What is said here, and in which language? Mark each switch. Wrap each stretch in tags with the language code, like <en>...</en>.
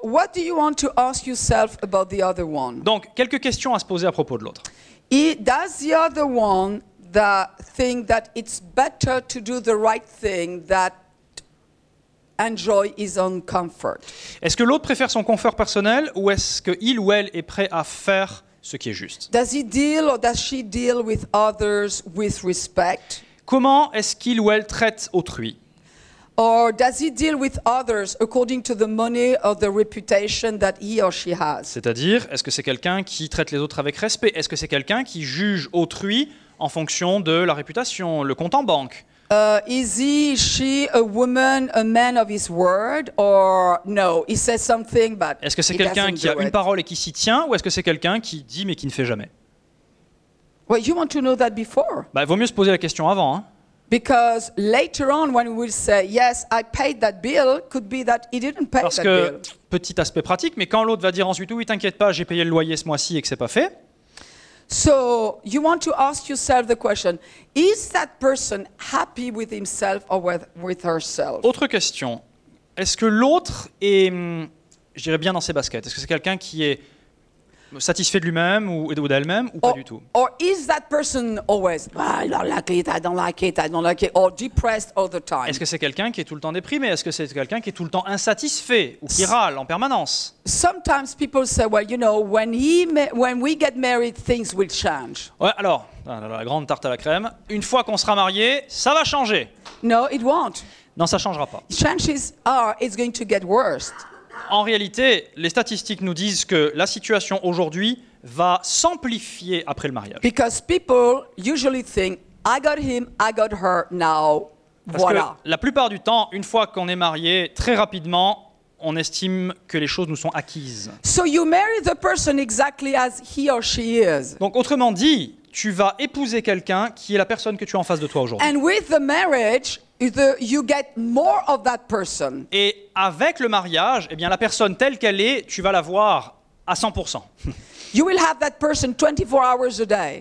<en>So, what do you want to ask yourself about the other one?</en> <fr>Donc, quelques questions à se poser à propos de l'autre.</fr> <en>Does the other one think that it's better to do the right thing that enjoy his own comfort?</en> <fr>Est-ce que l'autre préfère son confort personnel ou est-ce qu'il ou elle est prêt à faire ce qui est juste?</fr> <en>Does he deal or does she deal with others with respect?</en> <fr>Comment est-ce qu'il ou elle traite autrui?</fr> <en>Or does he deal with others according to the money or the reputation that he or she has?</en> <fr>C'est-à-dire, est-ce que c'est quelqu'un qui traite les autres avec respect? Est-ce que c'est quelqu'un qui juge autrui en fonction de la réputation, le compte en banque?</fr> <en>Is he, she, a woman, a man of his word, or no? He says something, but</en> <fr>est-ce que c'est quelqu'un qui a une parole et qui s'y tient, ou est-ce que c'est quelqu'un qui dit mais qui ne fait jamais?</fr> <en>Well, you want to know that before.</en> <fr>Bah, il vaut mieux se poser la question avant. Hein.</fr> <en>Because later on, when we will say yes, I paid that bill, could be that he didn't pay</en> <fr>parce</fr> <en>that</en> <fr>que,</fr> <en>bill.</en> <fr>Parce que petit aspect pratique, mais quand l'autre va dire ensuite oui, t'inquiète pas, j'ai payé le loyer ce mois-ci et que c'est pas fait.</fr> <en>So you want to ask yourself the question: is that person happy with himself or with herself?</en> <fr>Autre question: est-ce que l'autre est, je dirais bien dans ses baskets? Est-ce que c'est quelqu'un qui est satisfait de lui-même ou d'elle-même ou</fr> <en>or,</en> <fr>pas du tout?</fr> <en>Or is that person always I don't like it, or depressed all the time?</en> <fr>Est-ce que c'est quelqu'un qui est tout le temps déprimé? Est-ce que c'est quelqu'un qui est tout le temps insatisfait ou qui râle en permanence?</fr> <en>Sometimes people say, well, you know, when we get married, things will change.</en> <fr>Ouais, alors la grande tarte à la crème. Une fois qu'on sera marié, ça va changer.</fr> <en>No, it won't.</en> <fr>Non, ça changera pas.</fr> <en>Chances are, it's going to get worse.</en> <fr>En réalité, les statistiques nous disent que la situation aujourd'hui va s'amplifier après le mariage.</fr> <en>Because people usually think, I got him, I got her, now, voilà.</en> <fr>Parce que la plupart du temps, une fois qu'on est marié, très rapidement, on estime que les choses nous sont acquises.</fr> <en>So you marry the person exactly as he or she is.</en> <fr>Donc autrement dit, tu vas épouser quelqu'un qui est la personne que tu as en face de toi aujourd'hui.</fr> <en>And with the marriage, you get more of that person.</en> <fr>Et avec le mariage, eh bien, la personne telle qu'elle est, tu vas la voir à 100%.</fr> <en>You will have that person 24 hours a day.</en>